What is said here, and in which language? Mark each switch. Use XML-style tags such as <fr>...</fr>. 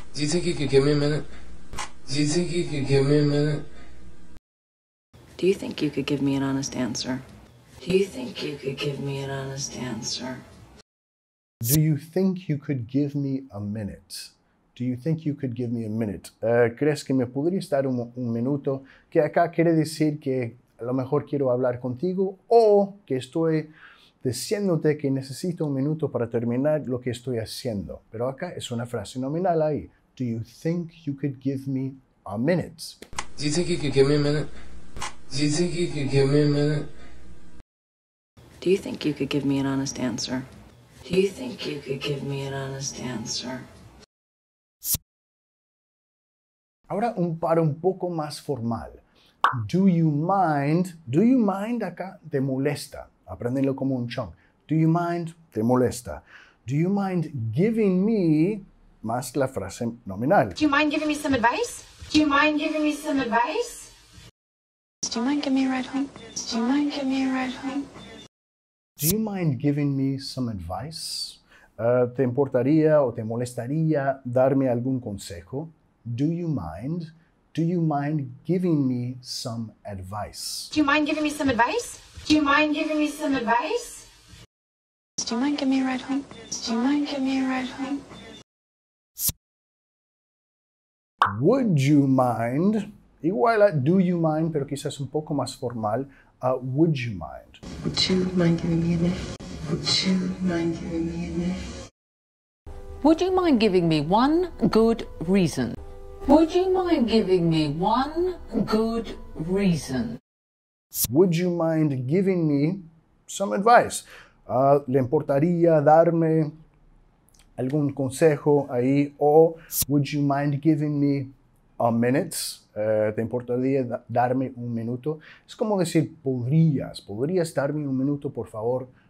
<en>Do you think you could give me a minute? Do you think you could give me a minute? Do you think you could give me an honest answer? Do you think you could give me an honest answer? Do you think you could give me a minute? Do you think you could give me a minute?</en> <es>¿Crees que me podrías dar un minuto? Que acá quiere decir que a lo mejor quiero hablar contigo o que estoy diciéndote que necesito un minuto para terminar lo que estoy haciendo. Pero acá es una frase nominal ahí.</es> <en>Do you think you could give me a minute? Do you think you could give me a minute? Do you think you could give me a minute? Do you think you could give me an honest answer? Do you think you could give me an honest answer?</en> <es>Ahora un par un poco más formal.</es> <en>Do you mind? Do you mind</en> <es>acá te molesta. Aprendelo como un chunk.</es> <en>Do you mind?</en> <es>Te molesta.</es> <en>Do you mind giving me?</en> <es>Más la frase nominal.</es> <en>Do you mind giving me some advice? Do you mind giving me some advice? Do you mind giving me a ride home? Do you mind giving me a ride home? Do you mind giving me some advice?</en> <es>¿Te importaría o te molestaría darme algún consejo?</es> <en>Do you mind? Do you mind giving me some advice? Do you mind giving me some advice? Do you mind giving me some advice? Do you mind giving me a ride home? Do you mind giving me a ride home? Would you mind?</en> <es>Igual a</es> <en>do you mind,</en> <es>pero quizás un poco más formal.</es> <en>Would you mind? Would you mind giving me a lift? Would you mind giving me a lift? Would you mind giving me one good reason? Would you mind giving me one good reason? Would you mind giving me some advice?</en> <es>¿Le importaría darme algún consejo ahí?</es> <en>O would you mind giving me a minute?</en> <es>¿Te importaría darme un minuto? Es como decir, ¿podrías darme un minuto, por favor?</es>